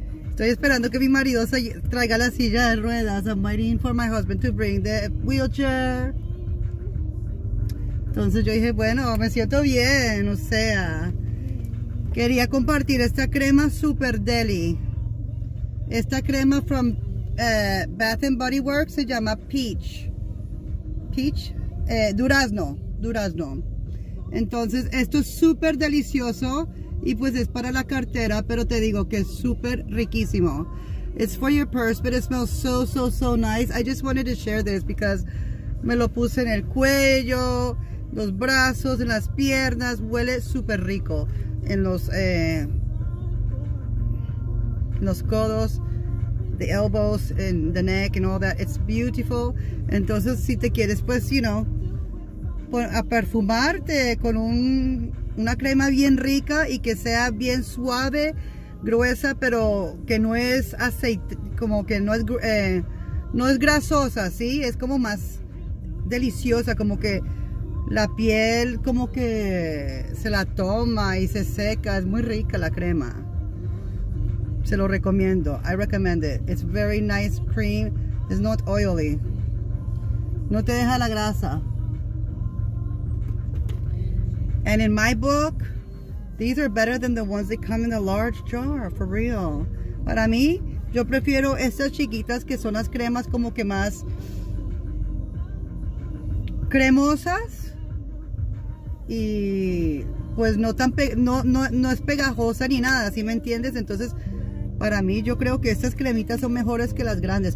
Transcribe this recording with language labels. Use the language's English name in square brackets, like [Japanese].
[Spanish] Estoy esperando que mi marido se traiga la silla de ruedas. [English] I'm waiting for my husband to bring the wheelchair. [Spanish] Entonces yo dije, bueno, me siento bien. O sea, quería compartir esta crema super deli. Esta crema from Bath and Body Works se llama Peach. Peach? Durazno. Durazno. Entonces, esto es súper delicioso y pues es para la cartera, pero te digo que es súper riquísimo. [English] It's for your purse, but it smells so, so, so nice. I just wanted to share this because [Spanish] me lo puse en el cuello, los brazos, en las piernas. Huele súper rico en los codos, [English] the elbows, in the neck and all that. It's beautiful. [Spanish] Entonces, si te quieres, pues, you know, a perfumarte con una crema bien rica y que sea bien suave, gruesa, pero que no es aceite, como que no es no es grasosa, ¿sí? Es como más deliciosa, como que la piel como que se la toma y se seca. Es muy rica la crema. Se lo recomiendo. [English] I recommend it. It's very nice cream. It's not oily. [Spanish] No te deja la grasa. [English] And in my book, these are better than the ones that come in the large jar, for real. [Spanish] Para mí, yo prefiero estas chiquitas que son las cremas como que más cremosas. Y pues no tan no es pegajosa ni nada, ¿sí me entiendes? Entonces, para mí, yo creo que estas cremitas son mejores que las grandes.